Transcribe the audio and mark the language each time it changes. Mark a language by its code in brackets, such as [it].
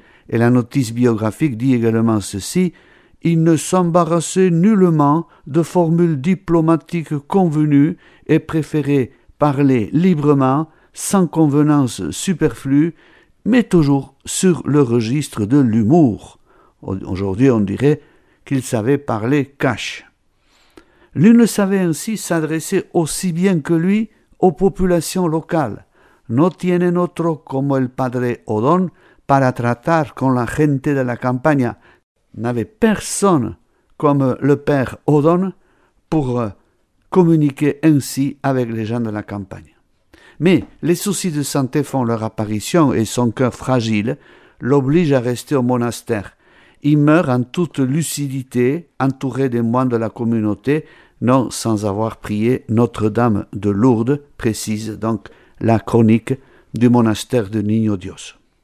[fr] Et la notice biographique dit également ceci: il ne s'embarrassait nullement de formules diplomatiques convenues et préférait parler librement, sans convenance superflue, mais toujours sur le registre de l'humour. Aujourd'hui, on dirait qu'il savait parler cash. L'un ne savait ainsi s'adresser aussi bien que lui aux populations locales. [es] No tienen otro como el padre Odón para tratar con la gente de la campaña. [fr] N'avait personne comme le père Odón pour communiquer ainsi avec les gens de la campagne. Mais les soucis de santé font leur apparition et son cœur fragile l'oblige à rester au monastère. Il meurt en toute lucidité, entouré des moines de la communauté, non sans avoir prié Notre-Dame de Lourdes, précise donc la chronique du monastère de Niño Dios.